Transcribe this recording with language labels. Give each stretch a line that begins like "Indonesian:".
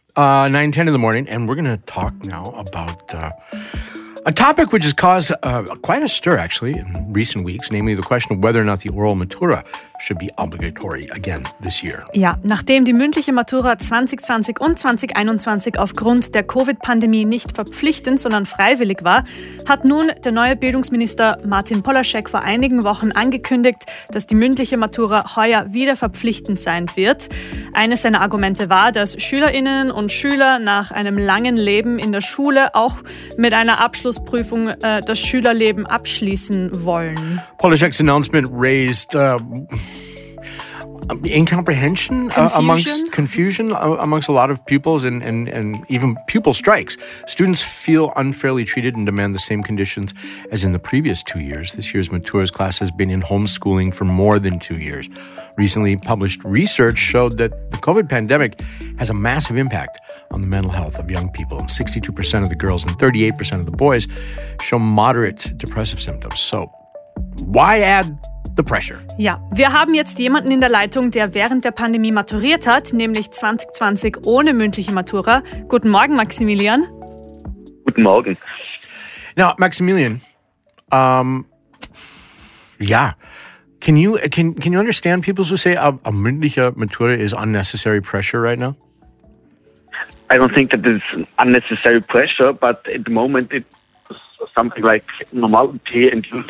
English: 9:10 in the morning, and we're going to talk now about a topic which has caused quite a stir, actually, in recent weeks, namely the question of whether or not the oral matura should be obligatory again this year.
German: Ja, nachdem die mündliche Matura 2020 und 2021 aufgrund der Covid-Pandemie nicht verpflichtend, sondern freiwillig war, hat nun der neue Bildungsminister Martin Polaschek vor einigen Wochen angekündigt, dass die mündliche Matura heuer wieder verpflichtend sein wird. Eines seiner Argumente war, dass Schülerinnen und Schüler nach einem langen Leben in der Schule auch mit einer Abschlussprüfung das Schülerleben abschließen wollen.
English: Polaschek's announcement raised incomprehension amongst a lot of pupils and even pupil strikes. Students feel unfairly treated and demand the same conditions as in the previous 2 years. This year's Matura's class has been in homeschooling for more than 2 years. Recently published research showed that the COVID pandemic has a massive impact on the mental health of young people. 62% of the girls and 38% of the boys show moderate depressive symptoms. So why add the pressure?
German: Ja, wir haben jetzt jemanden in der Leitung, der während der Pandemie maturiert hat, nämlich 2020 ohne mündliche Matura. Guten Morgen, Maximilian. Guten Morgen.
English: Now, Maximilian, can you understand people who say a mündliche Matura is unnecessary pressure right now? I don't think that it's unnecessary pressure, but at the moment it's something like normality and